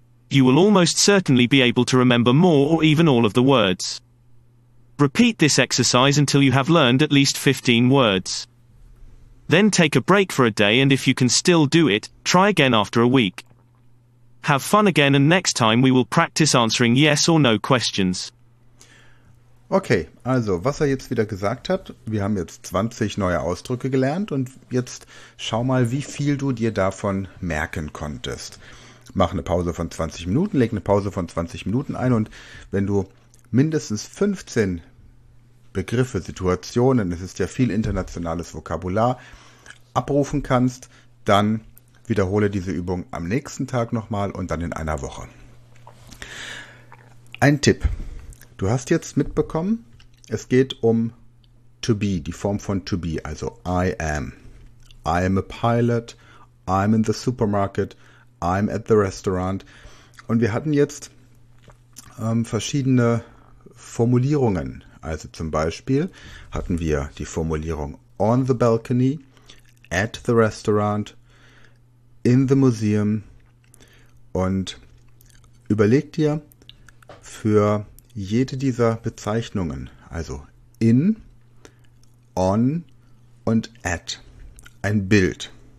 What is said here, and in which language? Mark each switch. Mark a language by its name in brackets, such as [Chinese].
[English] You will almost certainly be able to remember more or even all of the words. Repeat this exercise until you have learned at least 15 words. Then take a break for a day, and if you can still do it, try again after a week. Have fun again, and next time we will practice answering yes or no questions. [German] Okay, also, was er jetzt wieder gesagt hat, wir haben jetzt 20 neue Ausdrücke gelernt und jetzt schau mal, wie viel du dir davon merken konntest. Mach eine Pause von 20 Minuten, leg eine Pause von 20 Minuten ein und wenn du mindestens 15 Begriffe, Situationen, es ist ja viel internationales Vokabular, abrufen kannst, dann wiederhole diese Übung am nächsten Tag nochmal und dann in einer Woche. Ein Tipp. Du hast jetzt mitbekommen, es geht um to be, die Form von to be, also [English] I am. I am a pilot, I'm in the supermarket, I'm at the restaurant. [German] Und wir hatten jetzt verschiedene Formulierungen. Also zum Beispiel hatten wir die Formulierung [English] on the balcony, at the restaurant, in the museum, [German] und überleg dir für jede dieser Bezeichnungen, also in, on und at, ein Bild.